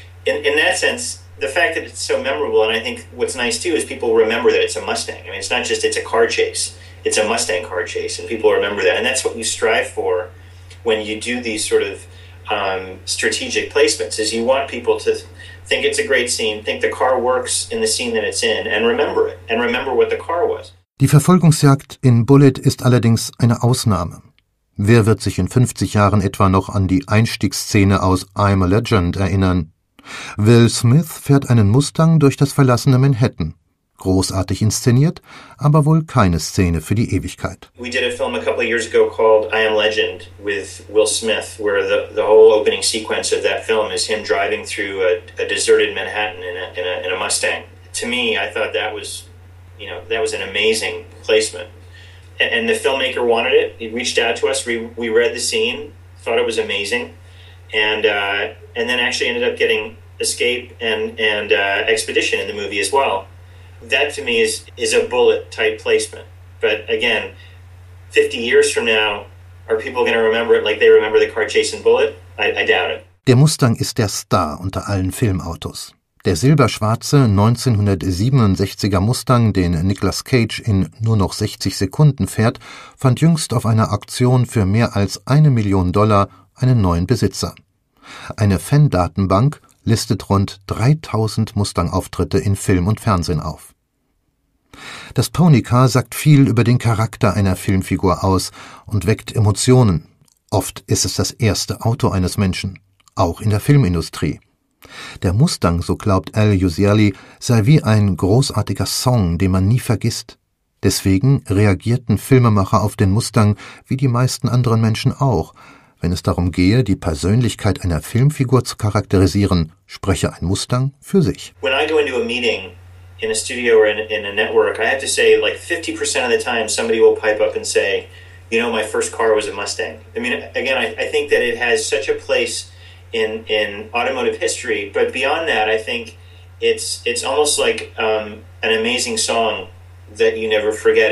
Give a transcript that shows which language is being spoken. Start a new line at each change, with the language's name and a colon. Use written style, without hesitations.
English: In that sense, the fact that it's so memorable, and I think what's nice too is people remember that it's a Mustang. I mean, it's not just it's a car chase; it's a Mustang car chase, and people remember that. And that's what you strive for when you do these sort of strategic placements: is you want people to think it's a great scene, think the car works in the scene that it's in, and remember it, and remember what the car was.
German: Die Verfolgungsjagd in Bullet ist allerdings eine Ausnahme. Wer wird sich in 50 Jahren etwa noch an die Einstiegsszene aus I'm a Legend erinnern? Will Smith fährt einen Mustang durch das verlassene Manhattan. Großartig inszeniert, aber wohl keine Szene für die Ewigkeit.
English: We did a film a couple of years ago called I Am Legend with Will Smith, where the whole opening sequence of that film is him driving through a deserted Manhattan in a Mustang. To me, I thought that was, you know, that was an amazing placement. And the filmmaker wanted it. He reached out to us. We read the scene, thought it was amazing, and then actually ended up getting Escape and Expedition in the movie as well. That to me is a Bullet type placement. But again, 50 years from now, are people going to remember it like they remember the car chase in Bullet? I doubt it.
German: Der Mustang ist der Star unter allen Filmautos. Der silberschwarze 1967er Mustang, den Nicolas Cage in nur noch 60 Sekunden fährt, fand jüngst auf einer Auktion für mehr als $1 Million einen neuen Besitzer. Eine Fan-Datenbank listet rund 3000 Mustang-Auftritte in Film und Fernsehen auf. Das Pony-Car sagt viel über den Charakter einer Filmfigur aus und weckt Emotionen. Oft ist es das erste Auto eines Menschen, auch in der Filmindustrie. Der Mustang, so glaubt Al Jusielli, sei wie ein großartiger Song, den man nie vergisst. Deswegen reagierten Filmemacher auf den Mustang wie die meisten anderen Menschen auch. Wenn es darum gehe, die Persönlichkeit einer Filmfigur zu charakterisieren, spreche ein Mustang für sich.
English: When I go into a meeting, in a studio or in a network, I have to say, like 50% of the time, somebody will pipe up and say, you know, my first car was a Mustang. I mean, again, I think that it has such a place in automotive history. But beyond that, I think it's almost like an amazing song that you never forget.